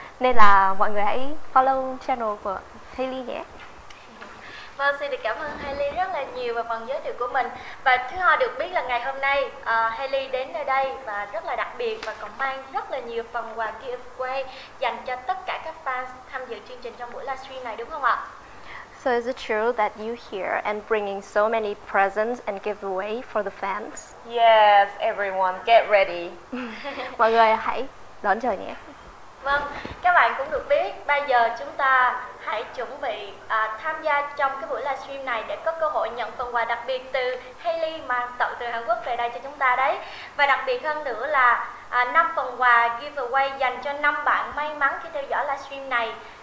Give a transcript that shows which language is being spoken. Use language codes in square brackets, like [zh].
[vi] Nên là mọi người hãy follow channel của Hailey nhé. Vâng, xin được cảm ơn Hailey rất là nhiều và phần giới thiệu của mình. Và thứ hai được biết là ngày hôm nay Hailey đến nơi đây và rất là đặc biệt và còn mang rất là nhiều phần quà giveaway dành cho tất cả các fans tham dự chương trình trong buổi livestream này, đúng không ạ? [en] So is it true that you here and bringing so many presents and giveaway for the fans? Yes, everyone, get ready. [vi] Mọi người hãy đón chờ nhé. Vâng, các bạn cũng được biết bây giờ chúng ta hãy chuẩn bị tham gia trong cái buổi livestream này để có cơ hội nhận phần quà đặc biệt từ Hailey mang tận từ Hàn Quốc về đây cho chúng ta đấy. Và đặc biệt hơn nữa là 5 phần quà giveaway dành cho 5 bạn may mắn khi theo dõi livestream này.